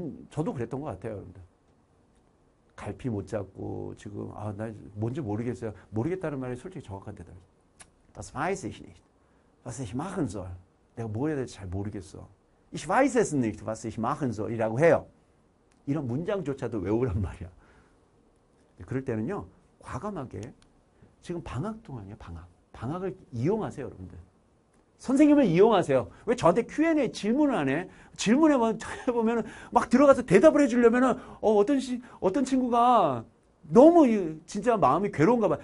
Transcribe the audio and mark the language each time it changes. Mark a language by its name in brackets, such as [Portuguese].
[Korean] 저도 그랬던 것 같아요, 여러분들. 갈피 못 잡고, 지금, 아, 나 뭔지 모르겠어요. 모르겠다는 말이 솔직히 정확한 대답이에요. [German] Das weiß ich nicht. Was ich machen soll. [Korean] 내가 뭘 해야 될지 잘 모르겠어. [German] Ich weiß es nicht, was ich machen soll. [Korean] 이라고 해요. 이런 문장조차도 외우란 말이야. 그럴 때는요, 과감하게, 지금 방학 동안이에요, 방학. 방학을 이용하세요, 여러분들. 선생님을 이용하세요. 왜 저한테 Q&A 질문을 안 해? 질문에만 찾아보면 막 들어가서 대답을 해주려면은 어떤 친구가 너무 진짜 마음이 괴로운가 봐.